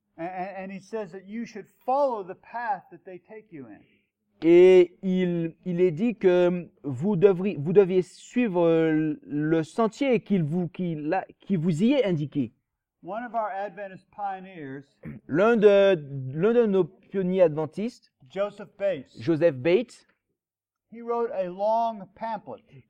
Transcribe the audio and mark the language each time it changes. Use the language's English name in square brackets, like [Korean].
[English] And he says that you should follow the path that they take you in. [French] Et il est dit que vous deviez suivre le sentier qui vous y est indiqué. [English] One of our Adventist pioneers, [French] l'un de nos pionniers adventistes, [English] Joseph Bates. He wrote a long pamphlet.